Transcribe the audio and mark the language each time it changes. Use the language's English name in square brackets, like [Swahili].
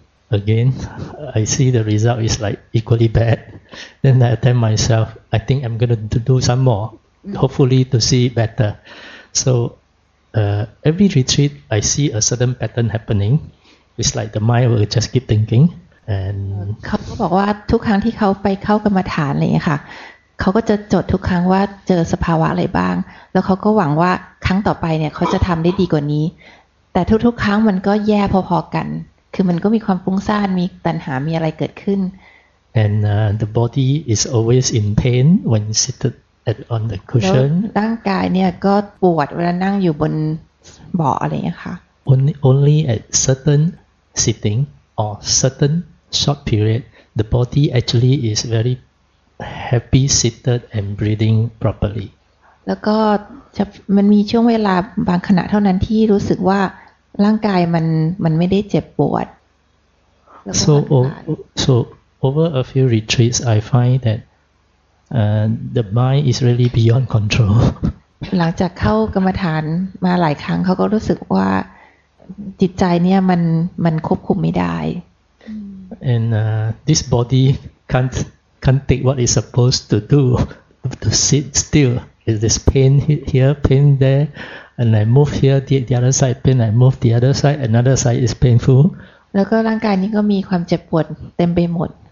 [English] again I see the result is like equally bad then I tell myself I think I'm gonna do some more hopefully to see better soevery retreat I see a certain pattern happening it's like the mind will just keep thinking and [Thai] เขาบอกว่าทุกครั้งที่เขาไปเข้ากรรมฐานอะไรเงี้ยค่ะเขาก็จะจดทุกครั้งว่าเจอสภาวะอะไรบ้างแล้วเขาก็หวังว่าครั้งต่อไปเนี่ยเขาจะทำได้ดีกว่านี้แต่ทุกๆครั้งมันก็แย่พอๆกันคือมันก็มีความฟุ้งซ่านมีตัณหามีอะไรเกิดขึ้น [English] and the body is always in pain when sittedon the cushion [Thai] ร่างกายเนี่ยก็ปวดเวลานั่งอยู่บนเบาะอะไรเงี้ยค่ะ [English] only at certain sitting or certain short period the body actually is very happy seated and breathing properly [Thai] แล้วก็มันมีช่วงเวลาบางขณะเท่านั้นที่รู้สึกว่าร่างกายมันไม่ได้เจ็บปวด [English] so over a few retreats I find thatthe mind is really beyond control [Thai] หลังจากเข้ากรรมฐานมาหลายครั้งเขาก็รู้สึกว่าจิตใจเนี่ยมันควบคุมไม่ได้ [English] and this body can't take what it's supposed to do to sit still is this pain here pain there and I move here the other side pain I move the other side another side is painful [Thai] แล้วก็ร่างกายนี้ก็มีความเจ็บปวดเต็มไปหมด